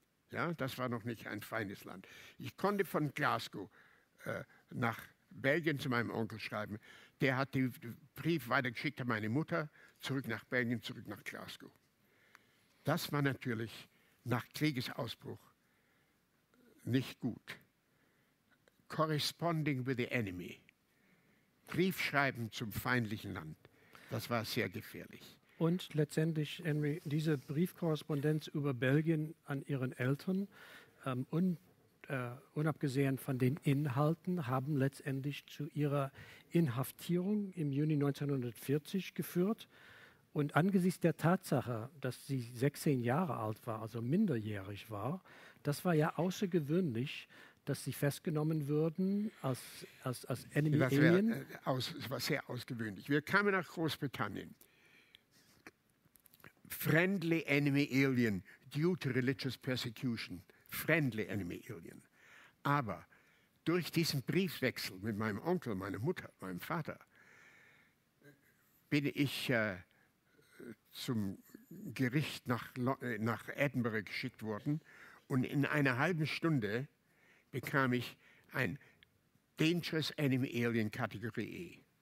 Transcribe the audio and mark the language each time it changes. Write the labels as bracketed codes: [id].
[de] Ja, das war noch nicht ein feines Land. Ich konnte von Glasgow nach Belgien zu meinem Onkel schreiben. Der hat den Brief weitergeschickt an meine Mutter, zurück nach Belgien, zurück nach Glasgow. Das war natürlich nach Kriegsausbruch nicht gut. [en] Corresponding with the enemy. [de] Briefschreiben zum feindlichen Land. Das war sehr gefährlich. Und letztendlich, Henry, diese Briefkorrespondenz über Belgien an Ihren Eltern, unabgesehen von den Inhalten, haben letztendlich zu Ihrer Inhaftierung im Juni 1940 geführt. Und angesichts der Tatsache, dass sie 16 Jahre alt war, also minderjährig war, das war ja außergewöhnlich, dass sie festgenommen würden als Enemy Alien. Das war sehr außergewöhnlich. Wir kamen nach Großbritannien. [en] Friendly enemy alien due to religious persecution. Friendly enemy alien. [de] Aber durch diesen Briefwechsel mit meinem Onkel, meiner Mutter, meinem Vater, bin ich zum Gericht nach Edinburgh geschickt worden und in einer halben Stunde bekam ich ein Dangerous Enemy Alien Kategorie E.